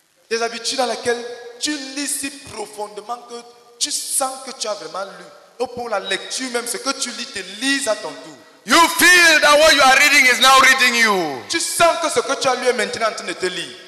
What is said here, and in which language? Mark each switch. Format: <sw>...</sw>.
<fr>Des habitudes dans lesquelles tu lis si profondément que tu sens que tu as vraiment lu. Et pour la lecture même, ce que tu lis te lise à ton tour.</fr> <en>You feel that what you are reading is now reading you.</en> <fr>Tu sens que ce que tu as lu est maintenant en train de te lire.</fr>